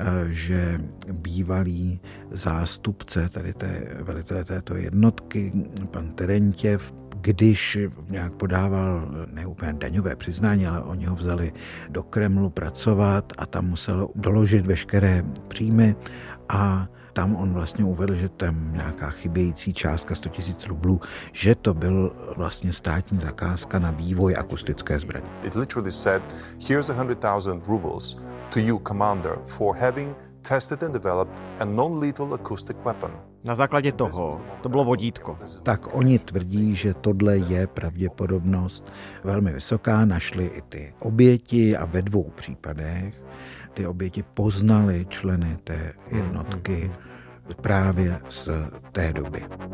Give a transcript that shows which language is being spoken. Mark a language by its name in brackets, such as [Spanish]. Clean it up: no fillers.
[Czech] že bývalý zástupce tady té velitele této jednotky, pan Terentěv, když nějak podával ne úplně daňové přiznání, ale oni ho vzali do Kremlu pracovat a tam musel doložit veškeré příjmy a tam on vlastně uvedl, že tam nějaká chybějící částka 100 000 rublů, že to byl vlastně státní zakázka na vývoj akustické zbraně. [English] It literally said, here's 100,000 rubles to you, commander, for having tested and developed a non-lethal acoustic weapon. [Czech] Na základě toho, to bylo vodítko. Tak oni tvrdí, že tohle je pravděpodobnost velmi vysoká. Našli i ty oběti a ve dvou případech ty oběti poznali členy té jednotky právě z té doby.